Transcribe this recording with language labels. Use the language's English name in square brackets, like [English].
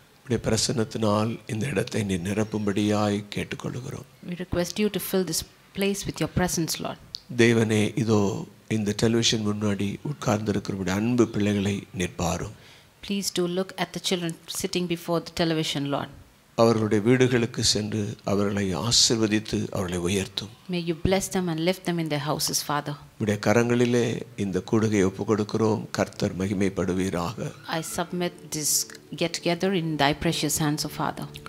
[Tamil] உம்முடைய பிரசன்னத்தினால் இந்த இடத்தை நீர் நிரப்பும்படியாய் கேட்டுக்கொள்கிறோம். [English] We request you to fill this place with your presence, Lord. [Tamil] தேவனே, இதோ இந்த டெலிவிஷன் முன்னாடி உட்கார்ந்திருக்கிறவுடைய அன்பு பிள்ளைகளை நீர் பாரும். [English] Please do look at the children sitting before the television, Lord. [Tamil] அவர்களுடைய வீடுகளுக்கு சென்று அவர்களை ஆசீர்வதித்து அவர்களை உயர்த்தும். [English] May you bless them and lift them in their houses, Father. [Tamil] உம்முடைய கரங்களிலே இந்த கூடுகை ஒப்புக்கொடுக்கிறோம். கர்த்தர் மகிமைப்படுவீராக. [English] I submit this get together in thy precious hands, O Father.